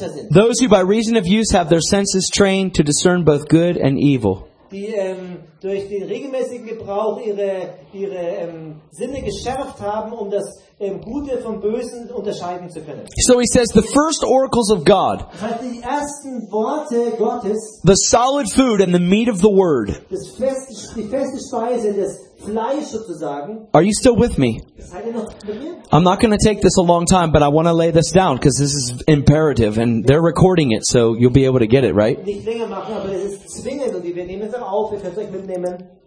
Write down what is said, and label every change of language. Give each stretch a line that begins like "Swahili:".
English: Those who by reason of use have their senses trained to discern both good and evil.
German: Durch den regelmäßigen Gebrauch ihre Sinne geschärft haben, um das Gute vom Bösen unterscheiden zu können.
English: So he says, the first oracles of God,
German: die ersten Worte Gottes,
English: the solid food and the meat of the word,
German: die feste Speise, das Fleisch sozusagen.
English: Are you still with me?
German: Seid ihr noch mit mir?
English: I'm not going to take this a long time, but I want to lay this down because this is imperative and they're recording it, so you'll be able to get it, right?
German: Nicht länger machen, aber es ist zwingend und wir nehmen es auch auf, wir können es euch mitnehmen.